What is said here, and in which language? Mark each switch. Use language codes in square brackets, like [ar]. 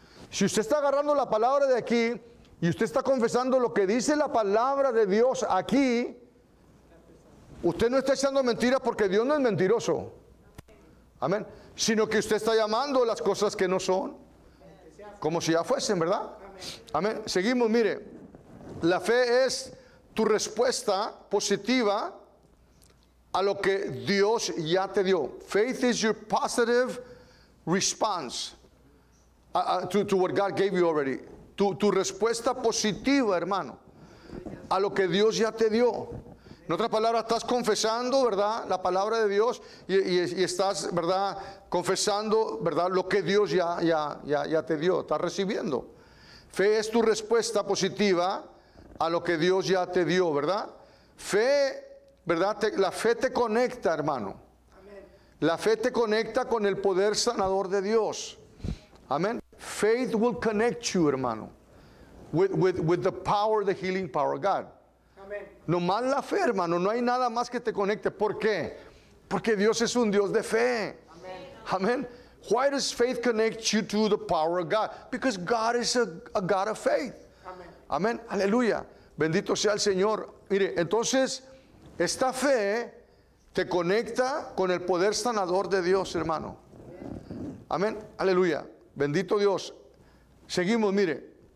[es] Si usted está agarrando la palabra de aquí y usted está confesando lo que dice la palabra de Dios aquí, usted no está echando mentiras porque Dios no es mentiroso. Amén. Sino que usted está llamando las cosas que no son como si ya fuesen, ¿verdad? Amén. Seguimos, mire. La fe es tu respuesta positiva a lo que Dios ya te dio. [en] Faith is your positive response to what God gave you already. [es] Tu respuesta positiva, hermano, a lo que Dios ya te dio. En otras palabras, estás confesando, ¿verdad?, la palabra de Dios y estás, ¿verdad?, confesando, ¿verdad?, lo que Dios ya te dio, estás recibiendo. Fe es tu respuesta positiva a lo que Dios ya te dio, ¿verdad? Fe, ¿verdad? La fe te conecta, hermano. La fe te conecta con el poder sanador de Dios. Amén. [en] Faith will connect you, hermano, with the power, the healing power of God. [es] No más la fe, hermano. No hay nada más que te conecte. ¿Por qué? Porque Dios es un Dios de fe. Amén. [en] Why does faith connect you to the power of God? Because God is a God of faith. Amén. [es] Aleluya. Bendito sea el Señor. Mire, entonces, esta fe Te conecta con el poder sanador de Dios, hermano. Amén. Aleluya. Bendito Dios. Seguimos, mire.